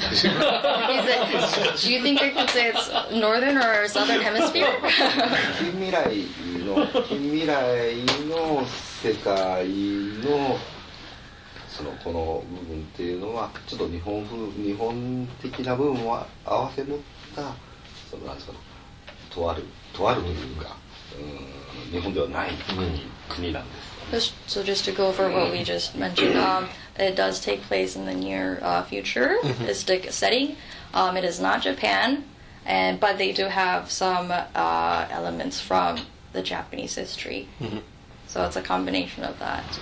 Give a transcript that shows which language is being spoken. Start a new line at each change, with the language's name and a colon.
English: Do you think I can say it's northern or southern hemisphere?
Japanese: 近未来の世界のそのこの部分っていうのはちょっと日本的な部分を合わせ持ったそのなんですかのとある部分が日本ではない国なんです。
English: So just to go over what we just mentioned, it does take place in the near future, futuristic setting. It is not Japan, but they do have some elements from the Japanese history. So it's a combination of that.